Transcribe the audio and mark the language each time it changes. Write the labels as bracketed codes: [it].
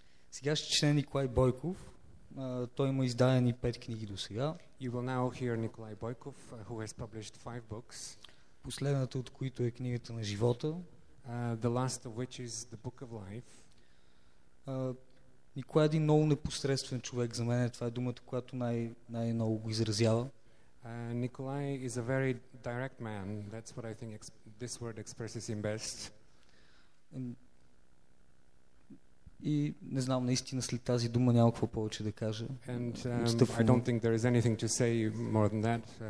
[bg] Сега ще чете Николай Бойков. Той има издадени 5 книги до сега. [en] You will now hear Nikolai Boykov, who has published 5 books. [bg] Последната от които е книгата на живота. [en] The last of which is the Book of Life. [bg] Николай е един много непосредствен човек за мен. Това е думата, която най-много го изразява. [en] Nikolai is a very direct man. That's what I think this word expresses him best. [bg] И не знам наистина след тази дума няма какво повече да кажа. [en] I don't think there is anything to say more than that.